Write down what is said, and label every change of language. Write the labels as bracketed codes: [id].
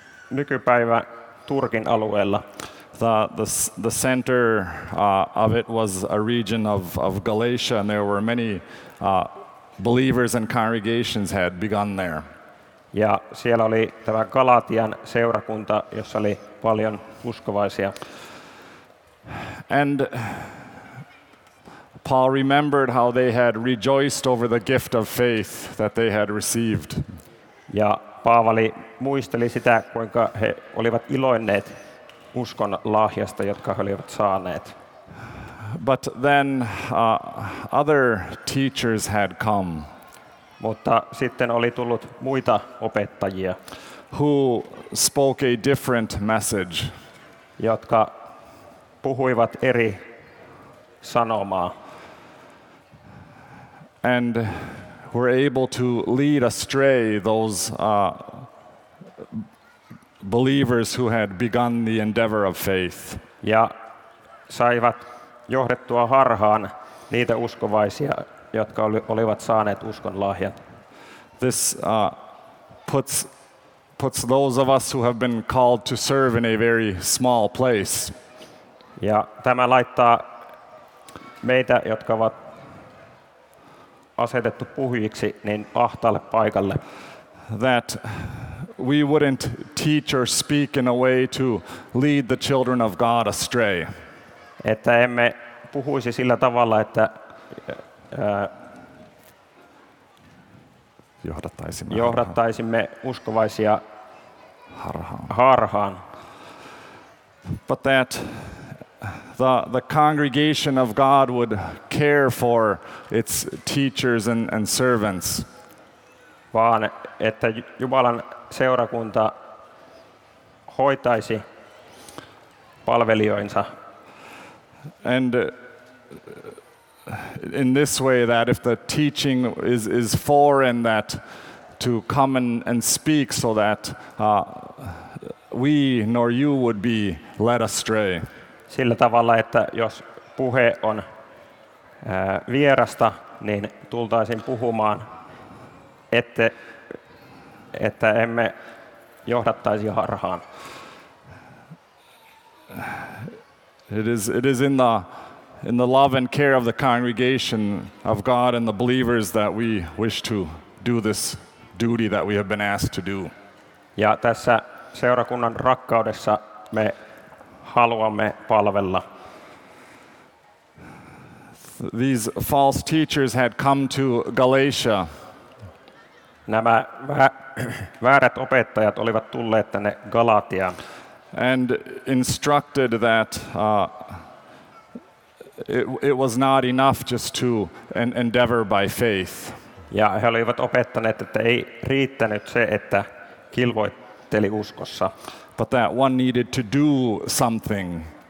[fi] Nykypäivä Turkin alueella. [en] The center of it was a region of Galatia, and there were many believers and congregations had begun there. [fi] Ja siellä oli tämä Galatian seurakunta, jossa oli paljon uskovaisia. [en] And Paul remembered how they had rejoiced over the gift of faith that they had received. [fi] Ja Paavali muisteli sitä, kuinka he olivat iloinneet uskon lahjasta, jotka he olivat saaneet. [en] But then other teachers had come. [fi] Mutta sitten oli tullut muita opettajia, [en] who spoke a different message, [fi] jotka puhuivat eri sanomaa, [en] and were able to lead astray those believers who had begun the endeavor of faith. [fi] Ja saivat johdettua harhaan niitä uskovaisia, jotka olivat saaneet uskon lahjan. [en] This puts those of us who have been called to serve in a very small place. [fi] Ja tämä laittaa meitä, jotka ovat asetettu puhujiksi, niin ahtaalle paikalle. [en] That we wouldn't teach or speak in a way to lead the children of God astray. [fi] Että emme puhuisi sillä tavalla, että johdattaisimme uskovaisia harhaan. [en] But that the congregation of God would care for its teachers and servants. [fi] Vaan että Jumalan seurakunta hoitaisi palvelijoinsa. [en] And in this way, that if the teaching is foreign, that to come and speak so that we nor you would be led astray. [fi] Sillä tavalla, että jos puhe on vierasta, niin tultaisin puhumaan, että emme johdattaisi harhaan. [en] It is in the love and care of the congregation of God and the believers that we wish to do this duty that we have been asked to do. [fi] Ja tässä seurakunnan rakkaudessa me haluamme palvella. [en] These false teachers had come to Galatia. [fi] Nämä väärät opettajat olivat tulleet tänne Galatiaan. [en] And instructed that it was not enough just to endeavor by faith. [fi] Ja he olivat opettaneet, että ei riittänyt se, että kilvoitteli uskossa. [en] But that one needed to do something.